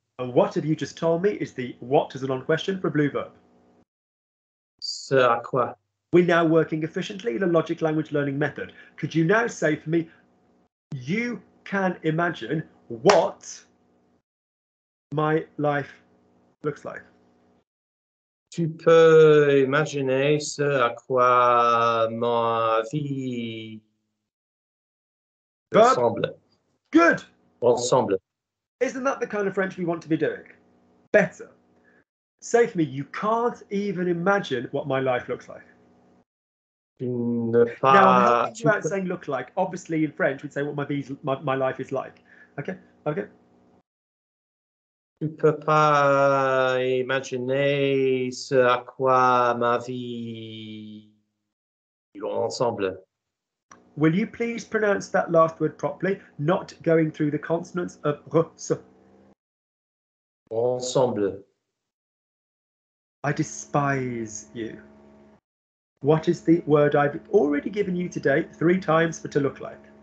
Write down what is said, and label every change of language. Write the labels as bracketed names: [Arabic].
[English] And what have you just told me is the what as a non-question for a blue verb? [French] Ce à quoi? [English] We're now working efficiently in a logic language learning method. Could you now say for me, you can imagine what my life looks like? [French] Tu peux imaginer ce à quoi ma vie ressemble. [English] Good. [French] Ressemble. [English] Isn't that the kind of French we want to be doing? Better. Say for me, you can't even imagine what my life looks like. Now, I'm about saying look like. Obviously, in French, we'd say what my life is like. Okay. [French] Tu peux pas imaginer ce à quoi ma vie ressemble. [English] Will you please pronounce that last word properly, not going through the consonants of [French] ensemble. [English] I despise you. What is the word I've already given you today 3 times for to look like?